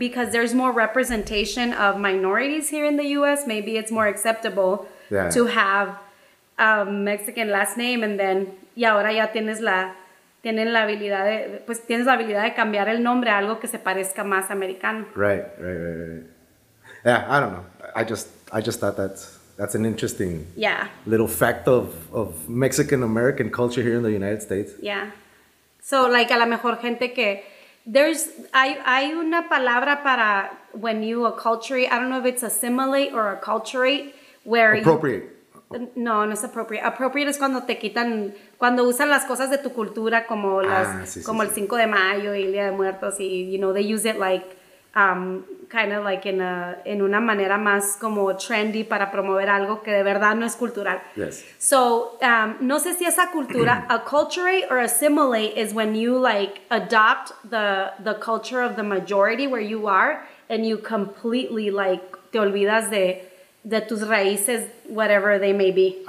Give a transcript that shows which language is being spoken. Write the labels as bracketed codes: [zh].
[en] Because there's more representation of minorities here in the U.S., maybe it's more acceptable to have a Mexican last name. [es] And then... Y ahora ya tienes la... Tienen la habilidad de... Pues tienes la habilidad de cambiar el nombre a algo que se parezca más americano. [en] Right. Yeah, I don't know. I just thought that's... That's an interesting little fact of Mexican-American culture here in the United States. Yeah. So, like, [es] a la mejor gente que... There's... Hay una palabra para [en] when you acculturate. I don't know if it's assimilate or acculturate. Where appropriate. [es] No es appropriate. Appropriate es cuando te quitan... Cuando usan las cosas de tu cultura como las... Como [en] el Cinco de Mayo y el Día de Muertos. Y, you know, they use it like... kind of like in [es] una manera más como trendy para promover algo que de verdad no es cultural. [en] Yes. So, [es] no sé si esa cultura, [en] acculturate or assimilate is when you like adopt the culture of the majority where you are and you completely like [es] te olvidas de tus raíces, [en] whatever they may be.